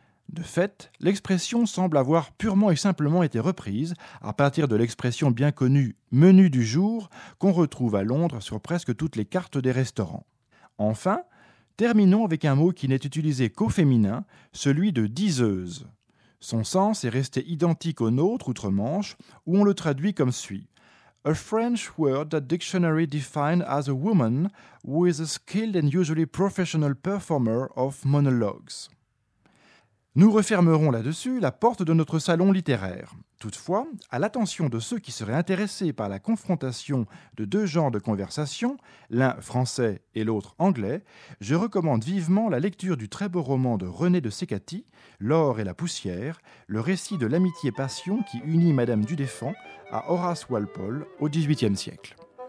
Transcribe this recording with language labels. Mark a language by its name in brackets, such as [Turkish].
[French] De fait, l'expression semble avoir purement et simplement été reprise à partir de l'expression bien connue « menu du jour » qu'on retrouve à Londres sur presque toutes les cartes des restaurants. Enfin, terminons avec un mot qui n'est utilisé qu'au féminin, celui de « diseuse ». Son sens est resté identique au nôtre outre-Manche, où on le traduit comme suit. [English] « A French word that dictionary defined as a woman who is a skilled and usually professional performer of monologues ». [French] Nous refermerons là-dessus la porte de notre salon littéraire. Toutefois, à l'attention de ceux qui seraient intéressés par la confrontation de deux genres de conversation, l'un français et l'autre anglais, je recommande vivement la lecture du très beau roman de René de Secati, « L'or et la poussière », le récit de l'amitié-passion qui unit Madame Dudéfant à Horace Walpole au XVIIIe siècle.